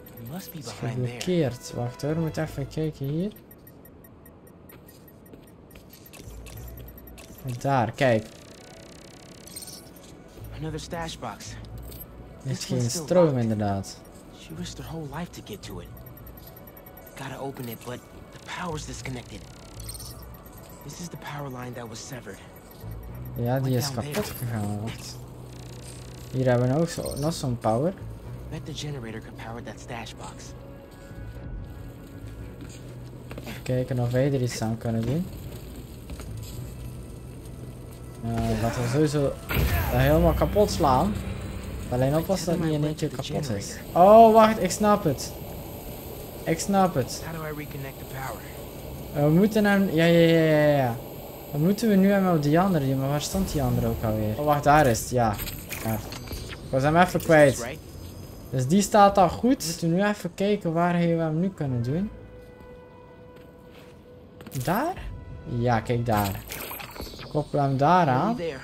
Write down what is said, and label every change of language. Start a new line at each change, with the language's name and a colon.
Dutch: Het is geblokkeerd. Wacht hoor, we moeten even kijken hier. Daar, kijk.
English: Another stash box.
Dutch: Is geen stroom inderdaad.
English: She risked her whole life to get to it. Gotta open it, but the power's disconnected. This is the power line that was severed.
Dutch: Ja, die is kapot gegaan. Wat? Hier hebben we ook zo, nog zo'n power.
English: Bet the generator could power that stash box.
Dutch: Even kijken of wij er iets aan kunnen doen. Laten we sowieso dat helemaal kapot slaan. Alleen oppassen dat niet in eentje kapot is. Oh, wacht, ik snap het. Ik snap het.
English: How do I reconnect the power?
Dutch: We moeten hem. Ja. Dan moeten we nu hem op die andere doen, maar waar stond die andere ook alweer? Oh, wacht, daar is het. Ja. Daar. Ik was hem even kwijt. Dus die staat al goed. Moeten we nu even kijken waar we hem nu kunnen doen. Daar? Ja, kijk daar. Koppel hem daar aan.